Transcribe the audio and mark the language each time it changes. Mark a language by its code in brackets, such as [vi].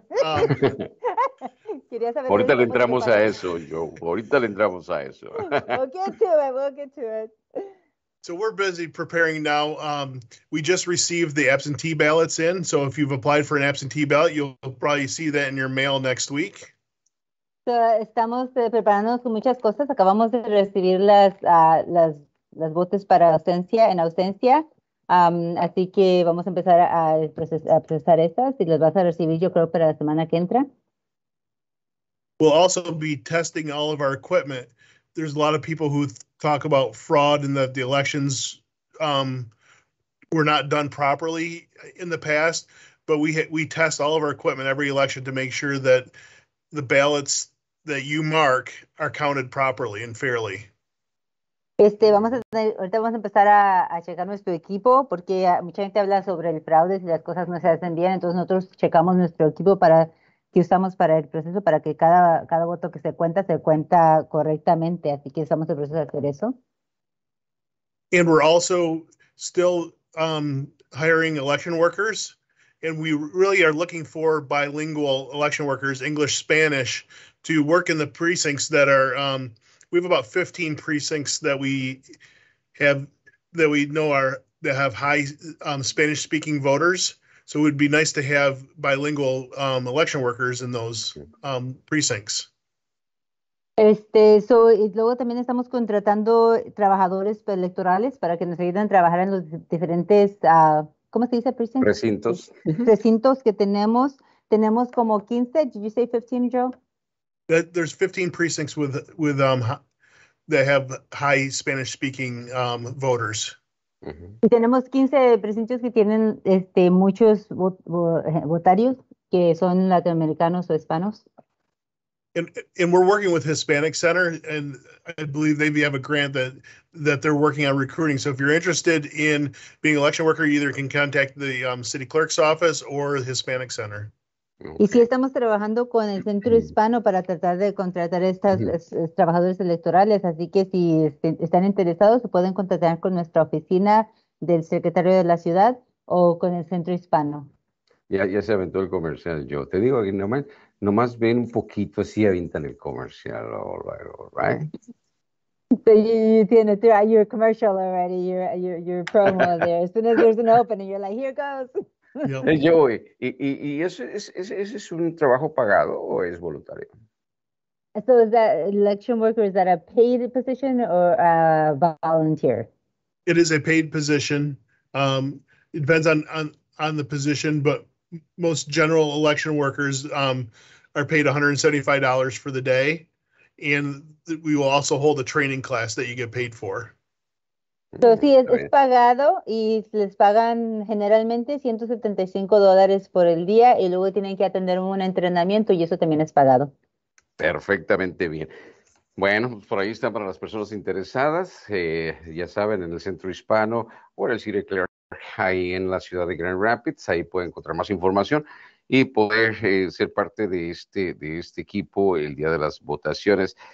[es] Ahorita le entramos a eso, Joe. Ahorita le entramos a eso. [en] We'll get to it. So we're busy preparing now. We just received the absentee ballots in. So if you've applied for an absentee ballot, you'll probably see that in your mail next week. [es] So estamos preparándonos con muchas cosas. Acabamos de recibir las votos para ausencia en ausencia. Así que vamos a empezar a procesar estas y las vas a recibir, yo creo, para la semana que entra. [en] We'll also be testing all of our equipment. There's a lot of people who talk about fraud and that the elections were not done properly in the past, but we test all of our equipment every election to make sure that the ballots that you mark are counted properly and fairly. [es] Ahorita vamos a empezar a checar nuestro equipo porque mucha gente habla sobre el fraude si las cosas no se hacen bien. Entonces nosotros checamos nuestro equipo para que usamos para el proceso para que cada voto que se cuenta correctamente. Así que estamos en el proceso de hacer eso. [en] And we're also still hiring election workers. And we really are looking for bilingual election workers, English, Spanish, to work in the precincts that are... We have about 15 precincts that we know have high Spanish speaking voters. So it would be nice to have bilingual election workers in those precincts. [es] So y luego también estamos contratando trabajadores electorales para que nos ayuden a trabajar en los diferentes ¿cómo se dice precincts? Recintos. Recintos que tenemos. Tenemos como 15. [en] Did you say 15, Joe? There's 15 precincts with that have high Spanish speaking voters. [es] Y tenemos 15 precintos que tienen muchos votarios que son latinoamericanos o hispanos. [en] And we're working with Hispanic Center, and I believe they have a grant that they're working on recruiting. So if you're interested in being an election worker, you either can contact the city clerk's office or Hispanic Center. [es] Okay. Y sí, estamos trabajando con el Centro Hispano para tratar de contratar estas trabajadores electorales. Así que si están interesados, se pueden contactar con nuestra oficina del secretario de la ciudad o con el Centro Hispano. Ya se aventó el comercial, yo. Te digo que nomás ven un poquito así, avientan el comercial. [en] All right. So you tiene your commercial already, your promo there. As soon as there's an opening, you're like, here goes. [es] Joey, ¿y ese es un trabajo pagado o es voluntario? [en] So is that election worker, is that a paid position or a volunteer? It is a paid position. It depends on the position, but most general election workers are paid $175 for the day. And we will also hold a training class that you get paid for. [es] So, sí, es pagado y les pagan generalmente $175 por el día y luego tienen que atender un entrenamiento y eso también es pagado. Perfectamente bien. Bueno, pues por ahí están para las personas interesadas. Ya saben, en el Centro Hispano o en el City Clerk, ahí en la ciudad de Grand Rapids, ahí pueden encontrar más información y poder ser parte de este equipo el día de las votaciones.